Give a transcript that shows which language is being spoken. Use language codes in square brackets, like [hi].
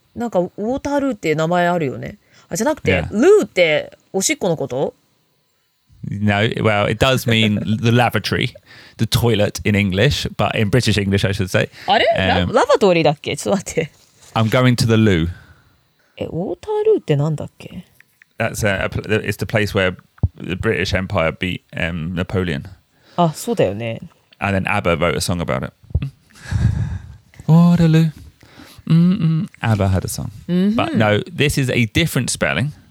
[ja] なんか Waterloo って名前あるよね。あ、じゃなくて、yeah. lieu っておしっこのこと? [en] No, well, it does mean the lavatory, the toilet in English, but in British English, I should say. [ja] あれ? Lavatory だっけ?ちょっと待って。 [en] I'm going to the loo. [ja] え、ウォータールーってなんだっけ? [en] That's it's the place where the British Empire beat Napoleon. [ja] あ、そうだよね。 [en] And then ABBA wrote a song about it. Waterloo. Mm-mm. ABBA had a song.、 Mm-hmm. But no, this is a different spelling.